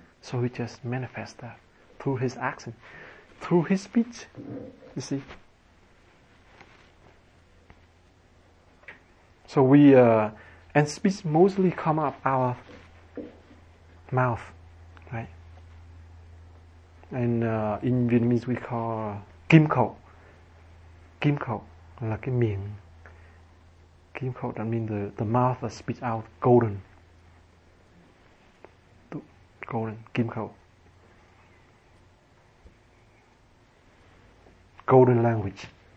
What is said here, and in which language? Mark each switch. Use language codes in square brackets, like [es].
[en] So he just manifests that through his action, through his speech. You see, So we and speech mostly come up our mouth, right? And in Vietnamese we call kim khẩu [vi] là cái miệng. [en] Kim khẩu that means the mouth that speaks out golden. Golden kim khẩu. Golden language.